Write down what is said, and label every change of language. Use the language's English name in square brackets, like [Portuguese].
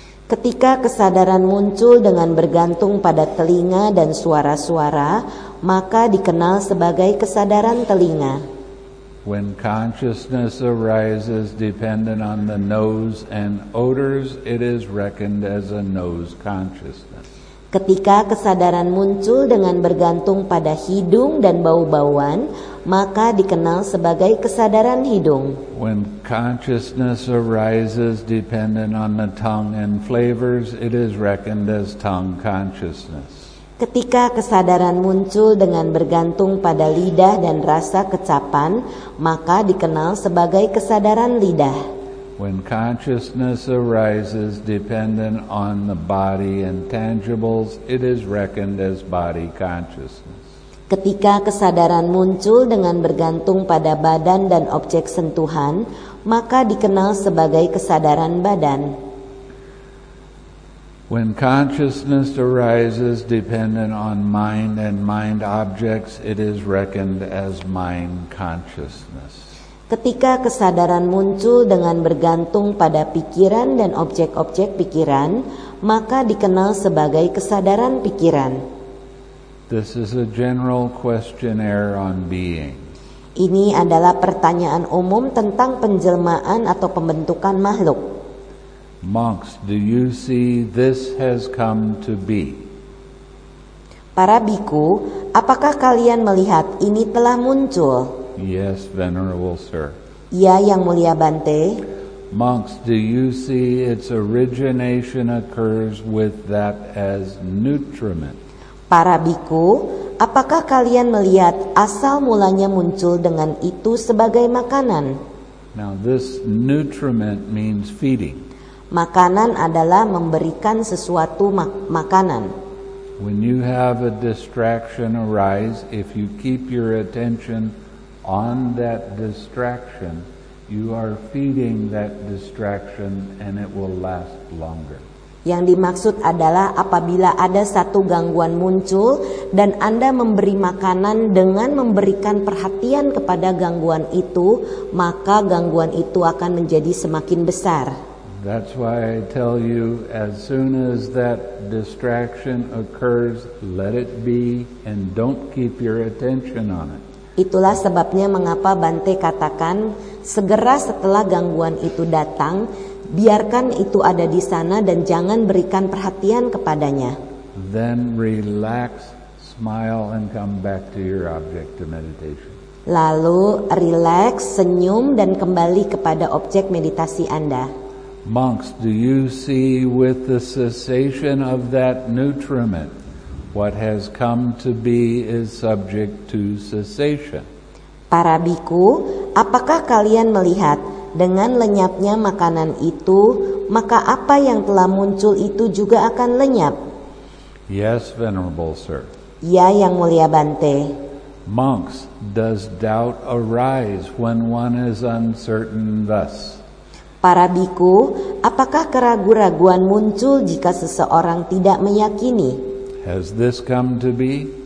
[Indonesian] Ketika kesadaran muncul dengan bergantung pada telinga dan suara-suara, maka dikenal sebagai kesadaran telinga. [English] When consciousness arises dependent on the nose and odors, it is reckoned as a nose consciousness. [Indonesian] Ketika kesadaran muncul dengan bergantung pada hidung dan bau-bauan, maka dikenal sebagai kesadaran hidung. [English] When consciousness arises dependent on the tongue and flavors, it is reckoned as tongue consciousness. [Indonesian] Ketika kesadaran muncul dengan bergantung pada lidah dan rasa kecapan, maka dikenal sebagai kesadaran lidah. [English] When consciousness arises dependent on the body and tangibles, it is reckoned as body consciousness. [Indonesian] Ketika kesadaran muncul dengan bergantung pada badan dan objek sentuhan, maka dikenal sebagai kesadaran badan. [English] When consciousness arises dependent on mind and mind objects, it is reckoned as mind consciousness. [Indonesian] Ketika kesadaran muncul dengan bergantung pada pikiran dan objek-objek pikiran, maka dikenal sebagai kesadaran pikiran. [English] This is a general questionnaire on being. [Indonesian] Ini adalah pertanyaan umum tentang penjelmaan atau pembentukan makhluk. [English] Monks, do you see this has come to be? [Indonesian] Para bhikkhu, apakah kalian melihat ini telah muncul? [English] Yes, venerable sir. [Indonesian] Ya, Yang Mulia Bante. [English] Monks, do you see its origination occurs with that as nutriment? [Indonesian] Para bhikkhu, apakah kalian melihat asal mulanya muncul dengan itu sebagai makanan? [English] Now, this nutriment means feeding. [Indonesian] Makanan adalah memberikan sesuatu makanan. [English] When you have a distraction arise, if you keep your attention on that distraction, you are feeding that distraction and it will last longer. [Indonesian] Yang dimaksud adalah apabila ada satu gangguan muncul dan Anda memberi makanan dengan memberikan perhatian kepada gangguan itu, maka gangguan itu akan menjadi semakin besar. [English] That's why I tell you, as soon as that distraction occurs, let it be and don't keep your attention on it. [Indonesian] Itulah sebabnya mengapa Bante katakan, segera setelah gangguan itu datang, biarkan itu ada di sana dan jangan berikan perhatian kepadanya. [English] Then relax, smile, and come back to your object of meditation. [Indonesian] Lalu relax, senyum, dan kembali kepada objek meditasi Anda. [English] Monks, do you see with the cessation of that nutriment, what has come to be is subject to cessation? [Indonesian] Para bhikkhu, apakah kalian melihat dengan lenyapnya makanan itu, maka apa yang telah muncul itu juga akan lenyap? [English] Yes, venerable sir. [Indonesian] Ya, Yang Mulia Bante. [English] Monks, does doubt arise when one is uncertain thus? [Indonesian] Para bhikkhu, apakah keraguan-raguan muncul jika seseorang tidak meyakini? [English] Has this come to be?